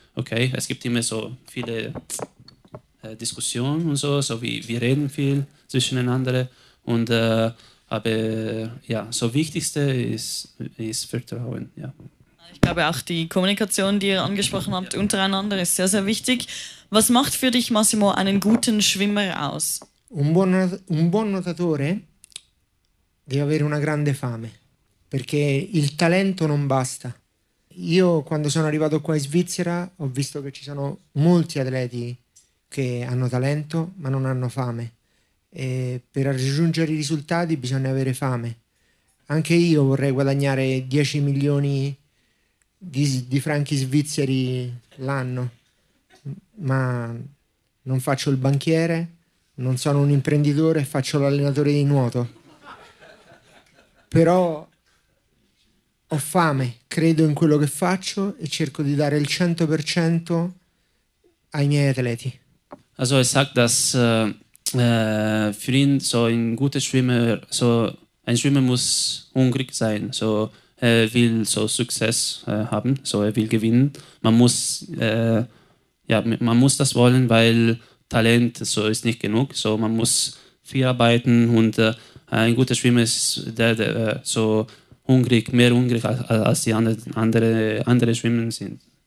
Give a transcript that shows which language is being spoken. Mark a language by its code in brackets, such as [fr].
[de] Okay, es gibt immer so viele Diskussionen und so wir reden viel zwischeneinander und aber ja, so Wichtigste ist Vertrauen, ja. Ich glaube auch die Kommunikation, die ihr angesprochen habt, untereinander ist sehr, sehr wichtig. Was macht für dich, Massimo, einen guten Schwimmer aus? [it] Un buon nuotatore deve avere una grande fame, perché il talento non basta. Io, quando sono arrivato qua in Svizzera, ho visto che ci sono molti atleti che hanno talento, ma non hanno fame. E per raggiungere i risultati bisogna avere fame. Anche io vorrei guadagnare 10 milioni di franchi svizzeri l'anno, ma non faccio il banchiere, non sono un imprenditore, faccio l'allenatore di nuoto. Però ho fame, credo in quello che faccio e cerco di dare il 100% ai miei atleti. [de] Also ich sag das für ihn, so ein guter Schwimmer, so ein Schwimmer muss hungrig sein, so er will so Success haben, so er will gewinnen. Man muss das wollen, weil Talent so ist nicht genug, so man muss viel arbeiten und ein guter Schwimmer ist der so hungrig, mehr hungrig als die andere Schwimmer sind.